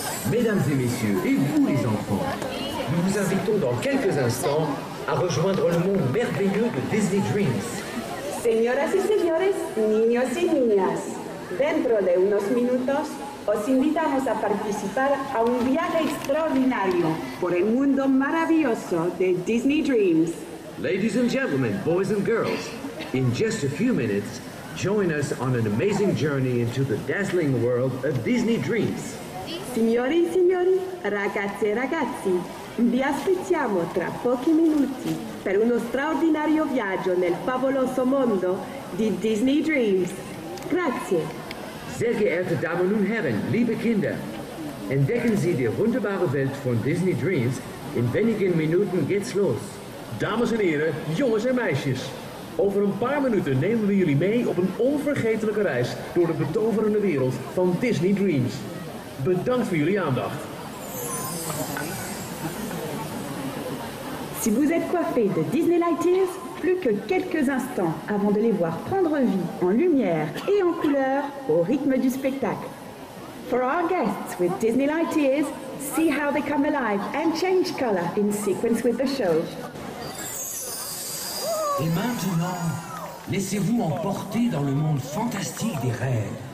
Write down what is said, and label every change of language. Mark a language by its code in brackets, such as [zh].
[fr] Mesdames et messieurs, et vous les enfants, nous vous invitons dans quelques instants à rejoindre le monde merveilleux de Disney Dreams. [es] Señoras y señores, niños y niñas, dentro de unos minutos os invitamos a participar a un viaje extraordinario por el mundo maravilloso de Disney Dreams. [en] Ladies and gentlemen, boys and girls, in just a few minutes, join us on an amazing journey into the dazzling world of Disney Dreams. [it] Signori e signori, ragazzi e ragazzi, vi aspettiamo tra pochi minuti per uno straordinario viaggio nel favoloso mondo di Disney Dreams. Grazie. [de] Sehr geehrte Damen und Herren, liebe Kinder, entdecken Sie die wunderbare Welt von Disney Dreams. In wenigen Minuten geht's los. [nl] Dames en heren, jongens en meisjes, over een paar minuten nemen we jullie mee op een onvergetelijke reis door de betoverende wereld van Disney Dreams. Bedankt voor jullie aandacht. [fr] Si vous êtes coiffé de Disney Lighters, plus que quelques instants avant de les voir prendre vie en lumière et en couleur au rythme du spectacle. [en] For our guests with Disney Lighters, see how they come alive and change color in sequence with the show. [fr] Et maintenant, laissez-vous emporter dans le monde fantastique des rêves.